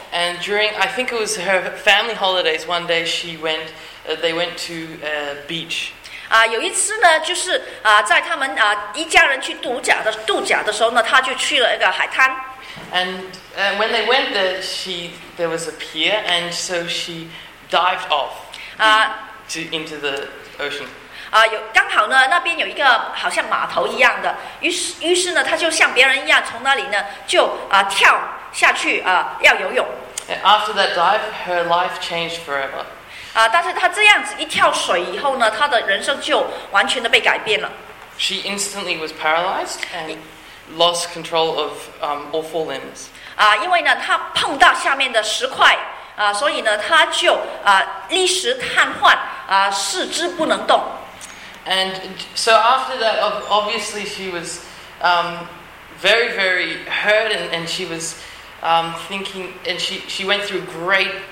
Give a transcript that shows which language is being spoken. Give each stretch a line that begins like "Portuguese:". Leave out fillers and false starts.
English: And during, I think it was her family holidays, one day they went to a beach.
Chinese: 有一次呢，就是在他们一家人去度假的时候呢，他就去了一个海滩。
English: And when they went there, there was a pier, and so she dived off into the ocean.
Chinese: 刚好呢，那边有一个好像码头一样的，于是呢，他就像别人一样从那里呢就跳下去要游泳。
English: And after that dive, her life changed forever.
Chinese: 但是他这样子一跳水以后呢，他的人生就完全的被改变了。
English: She instantly was paralyzed and lost control of all four limbs.
Chinese: 因为呢，他碰到下面的石块所以呢，他就立时瘫痪四肢不能动。
English: And so after that, obviously she was very, very hurt, and she was thinking, and she went through great.